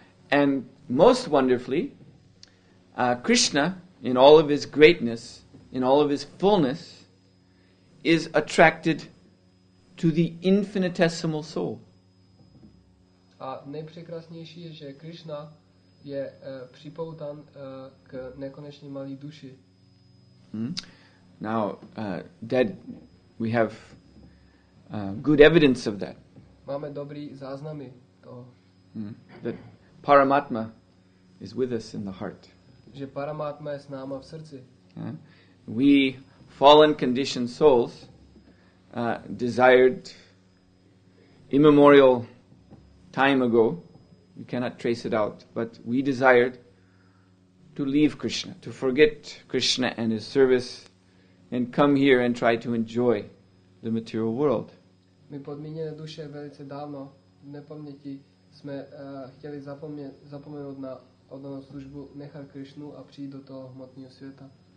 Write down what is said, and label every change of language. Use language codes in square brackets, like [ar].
[en] And most wonderfully, Krishna, in all of his greatness, in all of his fullness, is attracted to the infinitesimal soul. [cs] A nejpřekrásnější je, že Krishna je připoután k nekonečně malé duši. [en] Now, that we have good evidence of that. [cs] Máme dobrý záznamy toho. [en] That Paramatma is with us in the heart. [cs] Že Paramatma je s náma v srdci. [en] We fallen conditioned souls desired immemorial time ago, we cannot trace it out, but we desired to leave Krishna, to forget Krishna and his service, and come here and try to enjoy the material world. [cs] My podmíněné duše velice dávno, v nepaměti, jsme chtěli zapomenout na oddanou službu, nechat Krishnu a přijít do toho hmotného světa.